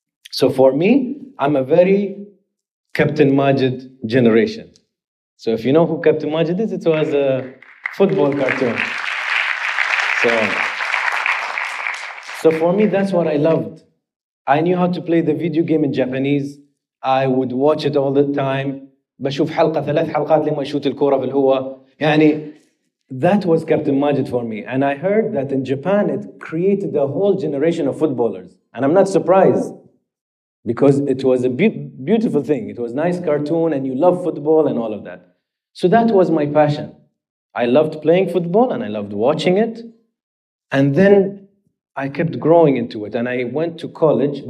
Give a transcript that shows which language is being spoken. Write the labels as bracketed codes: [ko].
[en] So for me, I'm a very Captain Majid generation. So if you know who Captain Majid is, it was a football cartoon. So for me, that's what I loved. I knew how to play the video game in Japanese. I would watch it all the time. [ar] بشوف حلقة ثلاث حلقات لما يشوت الكورة في الهواء. يعني [en] that was Captain Majid for me. And I heard that in Japan, it created a whole generation of footballers. And I'm not surprised because it was a beautiful thing. It was a nice cartoon and you love football and all of that. So that was my passion. I loved playing football and I loved watching it. And then I kept growing into it and I went to college.